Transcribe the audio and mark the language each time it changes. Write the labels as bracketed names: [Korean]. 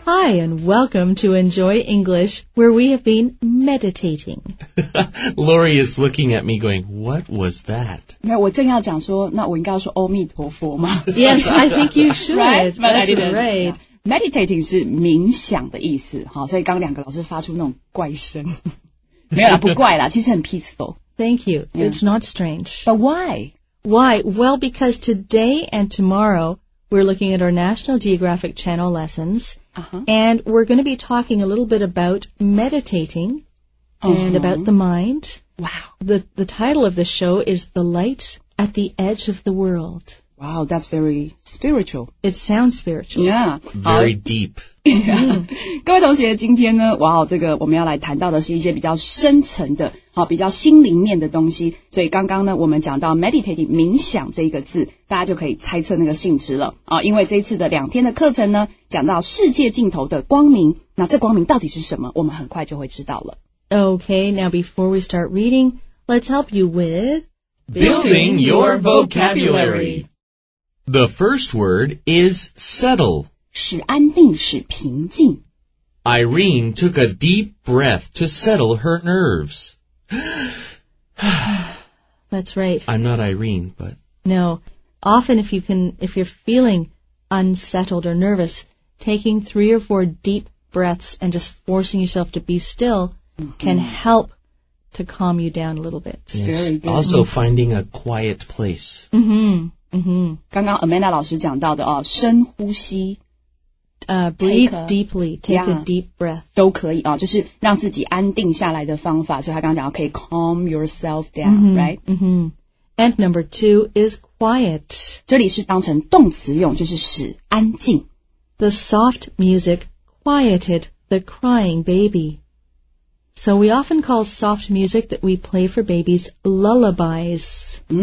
[English] Hi, and welcome to Enjoy English, where we have been meditating. Lori is looking at me going, what was that? [Chinese] 没有，我正要讲说，那我应该要说阿弥陀佛吗？ [English] Yes, I think you should. Right, but that's I didn't. Great. [Chinese] Yeah. Meditating 是冥想的意思，好，所以刚两个老师发出那种怪声。没有啦，不怪啦，其实很 peaceful. [English] Thank you.、Yeah. It's not strange. But why? Why? Well, because today and tomorrow... We're looking at our National Geographic Channel lessons,、 uh-huh. and we're going to be talking a little bit about meditating、 uh-huh. and about the mind. Wow. The title of the show is The Light at the Edge of the World. Wow, that's very spiritual. It sounds spiritual. Yeah. Very deep. [Chinese] 各位同学，今天呢，哇、wow, ，这个我们要来谈到的是一些比较深层的，好，比较心灵面的东西。所以刚刚呢，我们讲到 meditating 冥想这一个字，大家就可以猜测那个性质了啊。因为这一次的两天的课程呢，讲到世界尽头的光明，那这光明到底是什么？我们很快就会知道了。 [English] Okay, now before we start reading, let's help you with building your vocabulary. The first word is settle. [Chinese] 使安定，使平静。 [English] Irene took a deep breath to settle her nerves. That's right. I'm not Irene, but... No. Often if you're feeling unsettled or nervous, taking 3 or 4 deep breaths and just forcing yourself to be still、mm-hmm. can help to calm you down a little bit. Yes. Very good. Also finding a quiet place. Mm-hmm. [Chinese] Mm-hmm. 刚刚 Amanda 老师讲到的、哦、深呼吸、 [English] Breathe deeply, take a deep breath [Chinese] 都可以、哦、就是让自己安定下来的方法所以他刚刚讲可以 calm yourself down, [English] right? Mm-hmm. And number 2 is quiet [Chinese] 这里是当成动词用就是使安静 [English] The soft music quieted the crying baby So we often call soft music that we play for babies lullabies.